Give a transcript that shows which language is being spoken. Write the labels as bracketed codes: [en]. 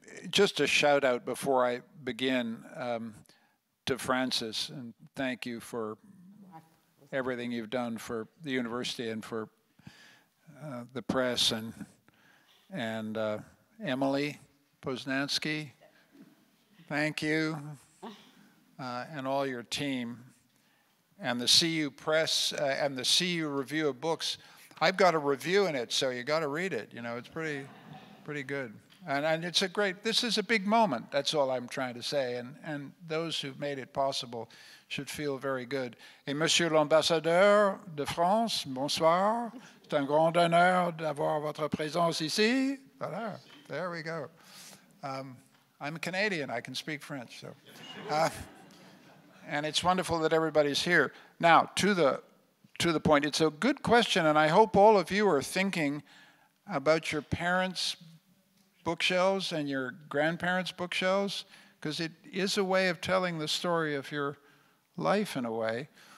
[en] Just a shout out before I begin to Frances, and thank you for everything you've done for the university and for the press, and Emily Poznanski, thank you, and all your team, and the CEU Press, and the CEU Review of Books. I've got a review in it, so you got to read it. You know, it's pretty good. And it's a great, this is a big moment, that's all I'm trying to say, and those who've made it possible should feel very good. [fr] Et Monsieur l'Ambassadeur de France, bonsoir. C'est un grand honneur d'avoir votre présence ici. [en] Voilà, there we go. I'm a Canadian, I can speak French, so. And it's wonderful that everybody's here. Now, to the point, it's a good question, and I hope all of you are thinking about your parents' bookshelves and your grandparents' bookshelves, because it is a way of telling the story of your life in a way.